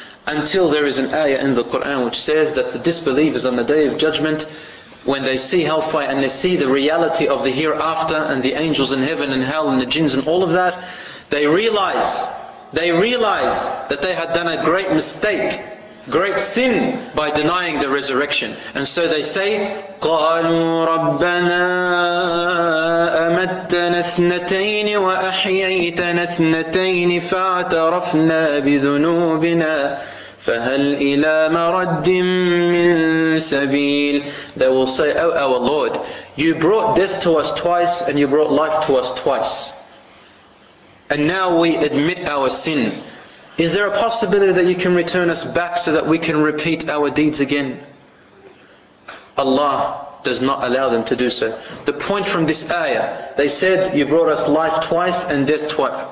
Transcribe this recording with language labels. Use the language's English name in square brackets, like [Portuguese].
[English] Until there is an ayah in the Quran which says that the disbelievers on the Day of Judgment, when they see hellfire and they see the reality of the hereafter and the angels in heaven and hell and the jinns and all of that, they realize that they had done a great mistake, great sin by denying the resurrection. And so they say, [Arabic] قَالُوا رَبَّنَا أَمَتَّنَا اثْنَتَيْنِ وَأَحْيَيْتَنَا اثْنَتَيْنِ فَاعْتَرَفْنَا بِذُنُوبِنَا فَهَلْ إِلَى مَرَدٍ مِّن سَبِيلٍ. [English] They will say, oh our Lord, you brought death to us twice and you brought life to us twice. And now we admit our sin. Is there a possibility that you can return us back so that we can repeat our deeds again? Allah does not allow them to do so. The point from this ayah, they said, you brought us life twice and death twice.